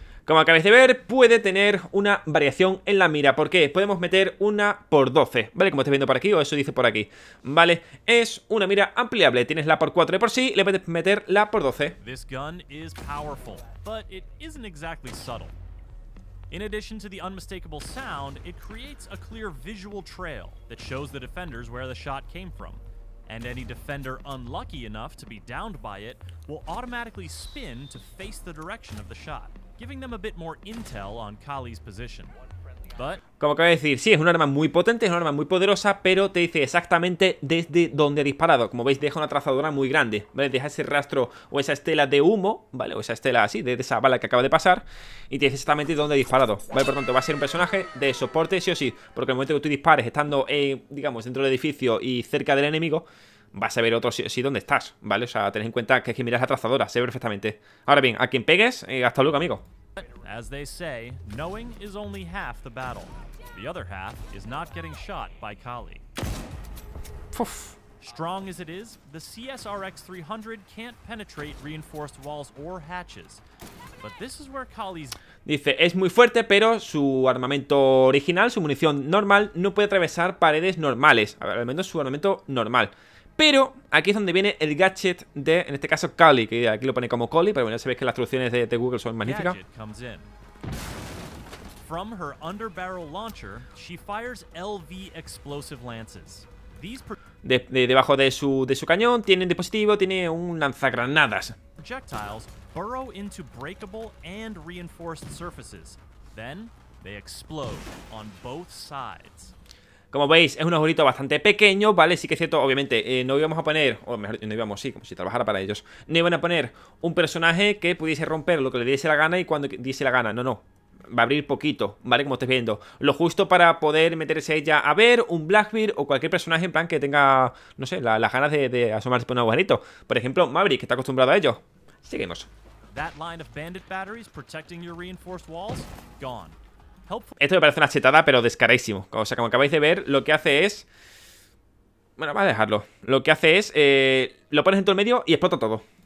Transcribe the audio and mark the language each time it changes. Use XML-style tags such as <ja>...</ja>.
<es>Como acabáis de ver, puede tener una variación en la mira. ¿Por qué? Podemos meter una por 12, ¿vale? Como estáis viendo por aquí, o eso dice por aquí, ¿vale? Es una mira ampliable. Tienes la por 4 de por sí, le puedes meter la por 12.</es> <en>This gun is powerful, but it isn't exactly subtle. In addition to the unmistakable sound, it creates a clear visual trail that shows the defenders where the shot came from. And any defender unlucky enough to be downed by it will automatically spin to face the direction of the shot, giving them a bit more intel on Kali's position. But</en> <es>como acabo de decir, sí, es un arma muy potente, es un arma muy poderosa, pero te dice exactamente desde dónde ha disparado. Como veis, deja una trazadora muy grande, ¿vale? Deja ese rastro o esa estela de humo, ¿vale? O esa estela así, de esa bala que acaba de pasar, y te dice exactamente dónde ha disparado, ¿vale? Por tanto, va a ser un personaje de soporte, sí o sí, porque en el momento que tú dispares estando, digamos, dentro del edificio y cerca del enemigo, vas a ver otro sí dónde estás, ¿vale? O sea, tenés en cuenta que es que miras la trazadora, sé perfectamente. Ahora bien, a quien pegues, hasta luego, amigo.</es> <en>As they say, knowing is only half the battle. The other half is not getting shot by Kali. Puff. Strong as it is, the CSRX 300 can't penetrate reinforced walls or hatches. But this is where Kali's...</en> <es>Dice, es muy fuerte, pero su armamento original, su munición normal, no puede atravesar paredes normales. A ver, al menos su armamento normal. Pero aquí es donde viene el gadget de, en este caso, Kali, que aquí lo pone como Kali, pero bueno, ya sabéis que las traducciones de Google son magníficas.</es> <en>From her underbarrel launcher, she fires LV explosive lances. These</en> <es>debajo de su cañón tiene un dispositivo, tiene un lanzagranadas.</es> <en>Projectiles burrow into breakable and reinforced surfaces. Then they explode on both sides.</en> <es>Como veis, es un agujerito bastante pequeño, ¿vale? Sí que es cierto, obviamente, no íbamos a poner, o mejor, no íbamos, sí, como si trabajara para ellos, no iban a poner un personaje que pudiese romper lo que le diese la gana y cuando diese la gana, no. Va a abrir poquito, ¿vale? Como estáis viendo, lo justo para poder meterse ella a ver un Blackbeard o cualquier personaje en plan que tenga, no sé, las ganas de asomarse por un agujerito. Por ejemplo, Maverick, que está acostumbrado a ello. Seguimos.</es> <en>That line of bandit batteries protecting your reinforced walls, gone.</en> <es>Esto me parece una chetada, pero descaradísimo. O sea, como acabáis de ver, lo que hace es... Bueno, va a dejarlo. Lo que hace es... lo pones en todo el medio y explota todo.</es>